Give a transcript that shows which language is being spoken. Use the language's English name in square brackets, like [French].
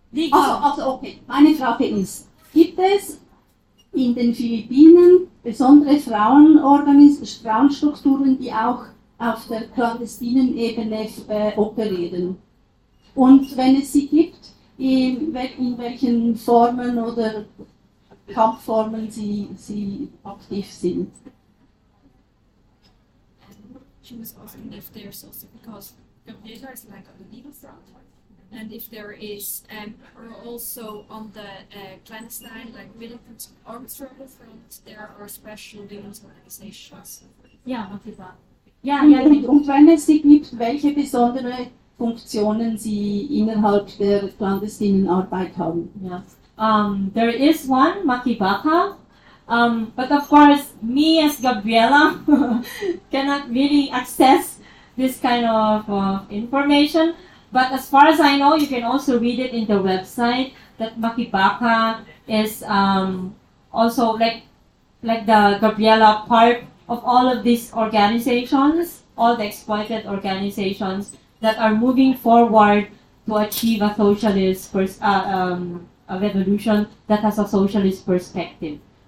[German] Also okay, meine Frage ist, gibt es in den Philippinen besondere Frauenstrukturen, die auch auf der clandestinen Ebene operieren? Und wenn es sie gibt, in welchen Formen oder Kampfformen sie aktiv sind? [English] She was asking if there's also, because Gambia is like on the legal front, and if there is, or also on the clandestine, like militant armed struggle front, there are special women's organizations. Yeah, [German] und wenn es sie gibt, welche besondere Funktionen sie innerhalb der clandestinen Arbeit haben? [English] Yes. There is one, Makibaka. But of course, me as Gabriela cannot really access this kind of information. But as far as I know, you can also read it in the website that Makibaka is also like the Gabriela part of all of these organizations, all the exploited organizations that are moving forward to achieve a socialist a revolution that has a socialist perspective.